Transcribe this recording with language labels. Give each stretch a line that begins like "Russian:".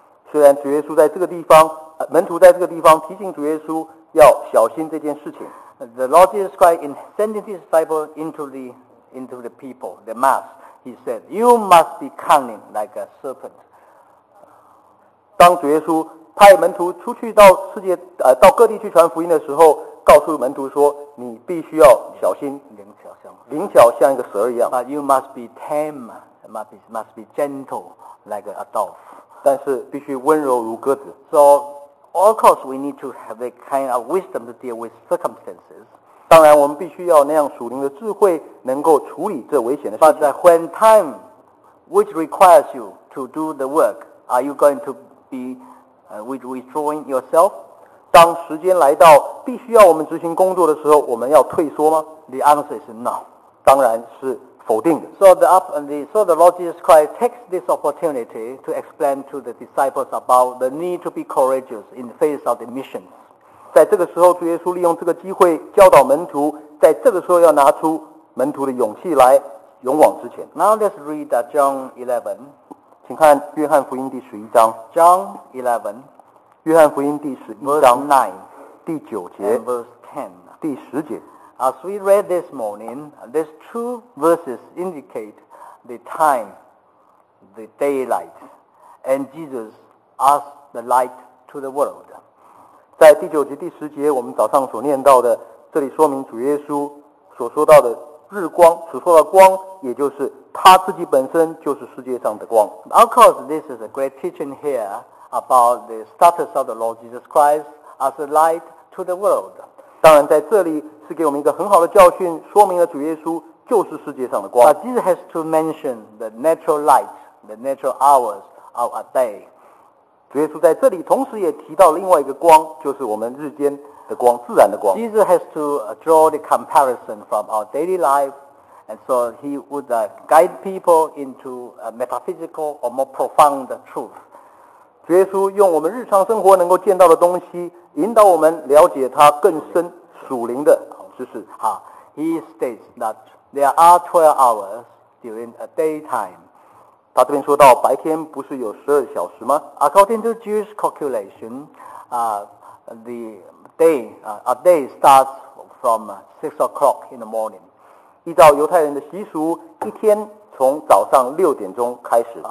Chinese: 虽然主耶稣在这个地方，门徒在这个地方提醒主耶稣要小心这件事情。
English: The Lord Jesus Christ, in sending his disciples into the people, the mass. He said, "You must be cunning like a serpent."
Chinese: 当主耶稣派门徒出去到世界，到各地去传福音的时候，告诉门徒说：“你必须要小心，灵巧像一个蛇一样。”
English: But you must be tame, must be gentle like a dove.
Chinese: 但是必须温柔如鸽子。
English: So, of course, we need to have a kind of wisdom to deal with circumstances.
Chinese: 当然我们必须要那样属灵的智慧能够处理这危险的事情。
English: But when time which requires you to do the work, are you going to be withdrawing yourself?
Chinese: 当时间来到必须要我们执行工作的时候，我们要退缩吗？
English: The answer is no.
Chinese: 当然是否定的。
English: So the Lord Jesus Christ takes this opportunity to explain to the disciples about the need to be courageous in the face of the mission.
Chinese: 在这个时候，主耶稣利用这个机会教导门徒，在这个时候要拿出门徒的勇气来，勇往直前。
English: Now let's read John 11.
Chinese: 请看约翰福音第十一章。
English: John 11.
Chinese: 约翰福音第十一章。
English: Verse 9.
Chinese: 第九节。
English: And verse 10.
Chinese: 第十节。
English: As we read this morning, these two verses indicate the time, the daylight, and Jesus as the light to the world.
Chinese: 在第九节第十节我们早上所念到的，这里说明主耶稣所说到的日光，所说的光也就是他自己本身就是世界上的光。
English: Of course, this is a great teaching here about the status of the Lord Jesus Christ as a light to the world.
Chinese: 当然在这里是给我们一个很好的教训，说明了主耶稣就是世界上的光。
English: But Jesus has to mention the natural light, the natural hours of a day.
Chinese: 主耶稣在这里同时也提到另外一个光，就是我们日间的光，自然的光。
English: Jesus has to draw the comparison from our daily life, and so he would guide people into a metaphysical or more profound truth.
Chinese: 主耶稣用我们日常生活能够见到的东西，引导我们了解他更深属灵的知识。
English: He states that there are 12 hours during a daytime.
Chinese: 他这边说到白天不是有十二小时吗？
English: According to Jewish calculation, a day starts from 6 o'clock in the morning.
Chinese: 依照犹太人的习俗，一天从早上六点钟开始。